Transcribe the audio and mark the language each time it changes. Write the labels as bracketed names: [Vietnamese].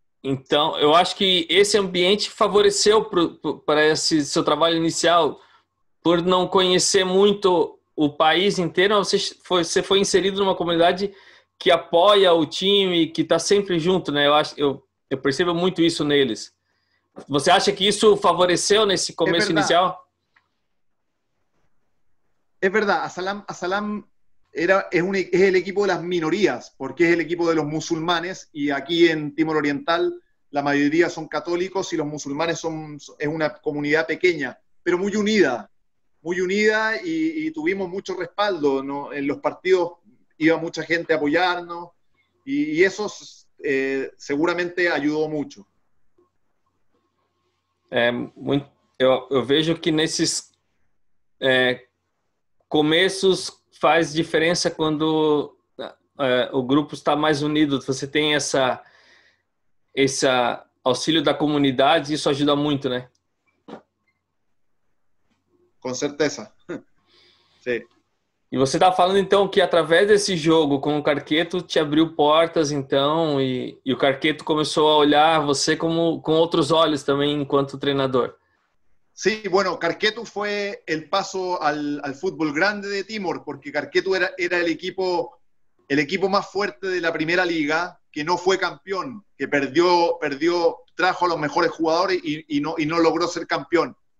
[Portuguese] Então, eu acho que esse ambiente favoreceu para esse seu trabalho inicial, por não conhecer muito o país inteiro, você foi inserido numa comunidade que apoia o time, que está sempre junto, né? Eu percebo muito isso neles. Você acha que isso favoreceu nesse começo inicial? É verdade. [Spanish] Asalam es el equipo de las minorías, porque es el equipo de los musulmanes, y aquí en Timor Oriental la mayoría son católicos y los musulmanes es una comunidad pequeña, pero muy unida y tuvimos mucho respaldo, ¿no? En los partidos iba mucha gente a apoyarnos y eso seguramente ayudó mucho. Muy, [Portuguese] Eu vejo que nesses começos faz diferença quando o grupo está mais unido. Você tem esse auxílio da comunidade e isso ajuda muito, né? Com certeza. Sim. E você está falando, então, que através desse jogo com o Carqueto te abriu portas, então, e o Carqueto começou a olhar você como com outros olhos também enquanto treinador. [Spanish] Sí, bueno, Carqueto fue el paso al fútbol grande de Timor, porque Carqueto era el equipo más fuerte de la primera liga, que no fue campeón, que perdió, trajo a los mejores jugadores y no logró ser campeón.